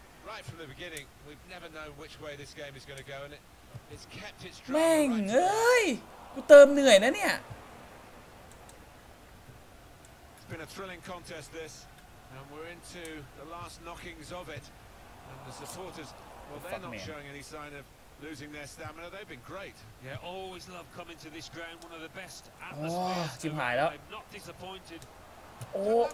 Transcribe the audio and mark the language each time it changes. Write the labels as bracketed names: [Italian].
[English] right from the beginning we've never known which way this game is going to go and it's kept its [Thai] drive แม่งเอ้ยกูเติมเหนื่อยนะเนี่ย [English] it's been a thrilling contest this and we're into the last knockings of it and the supporters well they're not showing any sign of losing their stamina they've been great yeah always love coming to this ground one of the best atmospheres I'm not disappointed โอ้